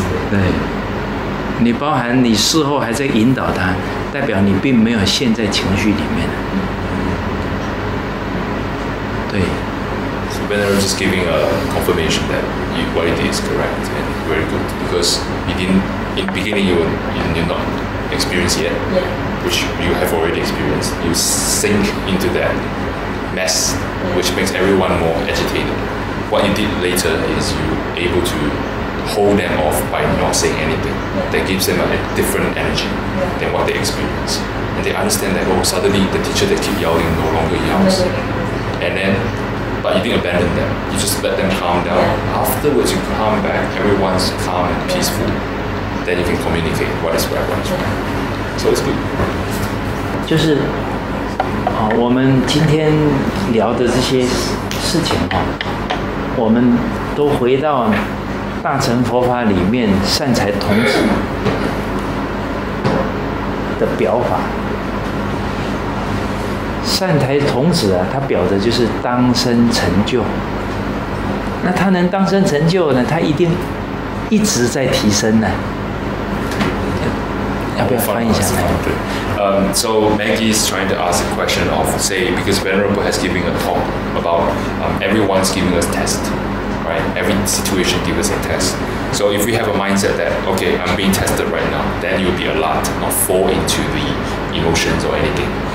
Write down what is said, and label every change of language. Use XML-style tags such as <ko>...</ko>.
<zh>对，你包含你事后还在引导他，代表你并没有陷在情绪里面。对。</zh> <en>So Benner just giving a confirmation that what he did is correct and very good because he didn't in the beginning you not experience yet, which you have already experienced. You sink into that mess, which makes everyone more agitated. What you did later is you able to hold them off by not saying anything. That gives them a different energy than what they experience. And they understand that, oh, suddenly the teacher that keep yelling no longer yells. And then, but you didn't abandon them. You just let them calm down. Afterwards, you come back, everyone's calm and peaceful. Then you can communicate what is right, what is wrong. So it's good.</en> <zh>就是我们今天聊的这些事情，我们都回到大乘佛法里面善财童子的表法。善财童子啊，他表的就是当生成就。那他能当生成就呢，他一定一直在提升呢。要不要翻译一下？</zh> <en>So Maggie is trying to ask a question of, say, because Venerable has given a talk about everyone's giving us a test, right? Every situation gives us a test. So if we have a mindset that, okay, I'm being tested right now, then you'll be alert, not fall into the emotions or anything.</en>